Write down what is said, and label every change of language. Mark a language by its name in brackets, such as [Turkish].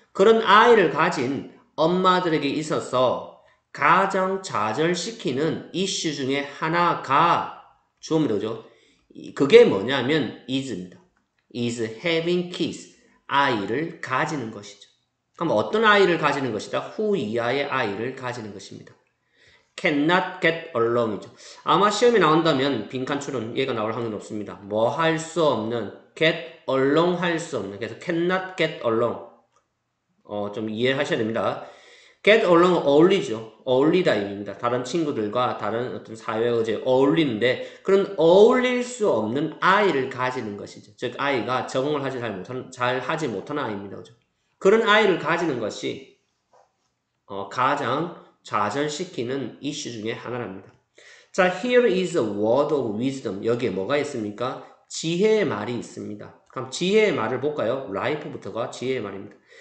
[Korean] 그런 아이를 가진 엄마들에게 있어서 가장 좌절시키는 이슈 중에 하나가 주어입니다. 그게 뭐냐면 is입니다. [English] is having kids. [Korean] 아이를 가지는 것이죠. 그럼 어떤 아이를 가지는 것이다? who 이하의 아이를 가지는 것입니다. [English] cannot get along이죠. [Korean] 아마 시험에 나온다면 빈칸 출은 얘가 나올 확률이 높습니다. 뭐할수 없는, get along 할수 없는. [English] 그래서 cannot get along. [Korean] 좀 이해하셔야 됩니다. get along은 어울리죠. 어울리다 입니다. 다른 친구들과 다른 어떤 사회의 어울리는데, 그런 어울릴 수 없는 아이를 가지는 것이죠. 즉, 아이가 적응을 하지 잘 하지 못하는 아이입니다. 그죠? 그런 아이를 가지는 것이, 가장 좌절시키는 이슈 중에 하나랍니다. [English] 자, here is a word of wisdom. [Korean] 여기에 뭐가 있습니까? 지혜의 말이 있습니다. 그럼 지혜의 말을 볼까요? life부터가 지혜의 말입니다.